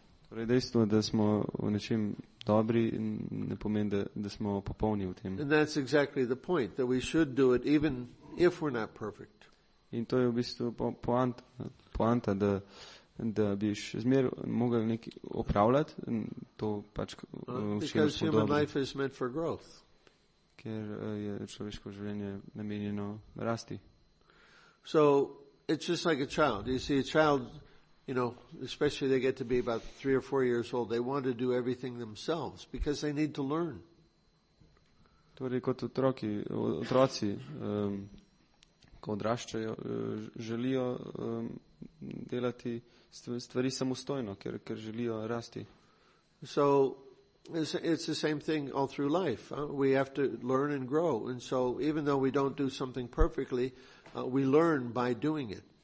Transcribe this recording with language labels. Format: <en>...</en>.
<sl>Torej dejstvo, da smo v nečem dobri, ne pomeni, da smo popolni v tem.</sl> <en>And that's exactly the point, that we should do it even if we're not perfect.</en> <sl>In to je v bistvu poanta, da bi še zmer mogel nekaj opravljati, to pač vsem spodobno.</sl> <en>Because human life is meant for growth.</en> <sl>Ker je človeško življenje namenjeno rasti.</sl> <en>So, it's just like a child. You see, a child, you know, especially they get to be about 3 or 4 years old, they want to do everything themselves because they need to learn.</en> <sl>Torej kot otroci, otroci ko odraščajo, želijo delati stvari samostojno, ker želijo rasti.</sl> <en>So it's the same thing all through life. We have to learn and grow. And so even though we don't do something perfectly, we learn by doing it.</en>